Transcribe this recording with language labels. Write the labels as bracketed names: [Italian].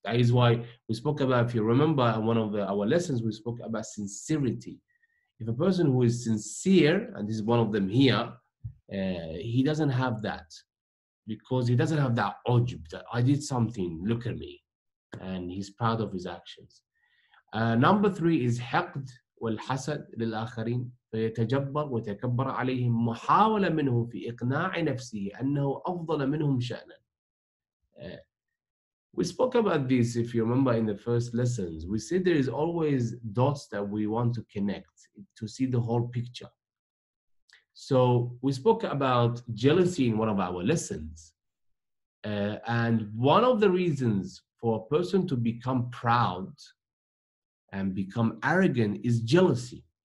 [English] That is why we spoke about. If you remember one of our lessons, we spoke about sincerity. If a person who is sincere, and this is one of them here, he doesn't have that. Because he doesn't have that ujub, that I did something, look at me. And he's proud of his actions. Number three is [Arabic] حقد والحسد للآخرين فيتجبر وتكبر عليهم محاولة منه في إقناع نفسه أنه أفضل منهم شأنا. [English] We spoke about this, if you remember, in the first lessons. We said there is always dots that we want to connect to see the whole picture. So we spoke about jealousy in one of our lessons. And one of the reasons for a person to become proud and become arrogant is jealousy.